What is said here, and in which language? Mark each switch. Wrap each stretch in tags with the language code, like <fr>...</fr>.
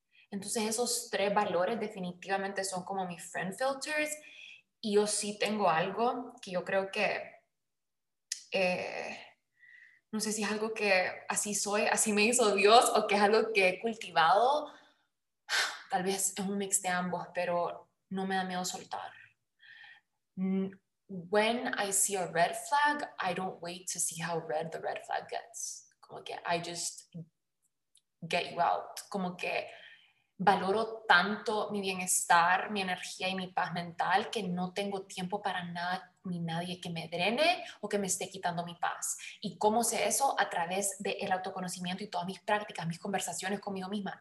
<es>Entonces esos tres valores definitivamente son como mis friend filters, y yo sí tengo algo que yo creo que no sé si es algo que así soy, así me hizo Dios, o que es algo que he cultivado, tal vez es un mix de ambos, pero no me da miedo soltar.</es> <en>When I see a red flag, I don't wait to see how red the red flag gets.</en> <es>Como que</es> <en>I just get you out.</en> <es>Como que valoro tanto mi bienestar, mi energía y mi paz mental que no tengo tiempo para nada ni nadie que me drene o que me esté quitando mi paz. ¿Y cómo sé eso? A través del autoconocimiento y todas mis prácticas, mis conversaciones conmigo misma.</es>